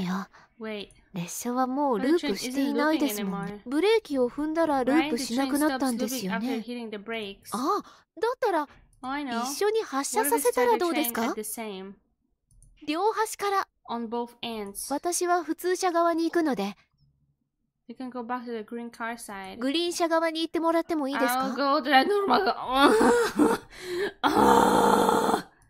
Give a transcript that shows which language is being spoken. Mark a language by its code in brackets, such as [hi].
[ja] いや、列車はもうループしていないですもん。ブレーキを踏んだらループしなくなったんですよね。あ、だったら、 一緒に発車させたらどうですか? 両端から、私は普通車側に行くので、 [en] You can go back to the green car side. [ja] グリーン車側に行ってもらってもいいですか? [en] I'll go to the normal car.